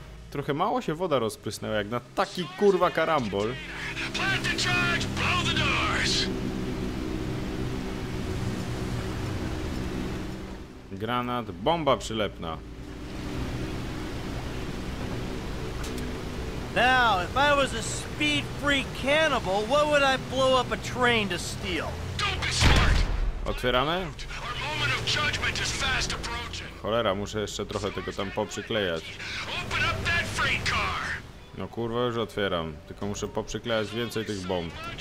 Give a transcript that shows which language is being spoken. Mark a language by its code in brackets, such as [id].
[pl] Trochę mało się woda rozprysnęła, jak na taki kurwa karambol. Granat, bomba przylepna. [en] Now, if I was a speed freak cannibal, what would I blow up a train to steal? Don't be smart. [pl] Otwieramy. [en] Our moment of judgment is fast approaching. [pl] Cholera, muszę jeszcze trochę tego tam poprzyklejać. [en] Open up that freight car. [pl] No kurwa, już otwieram. Tylko muszę poprzyklejać więcej tych bomb.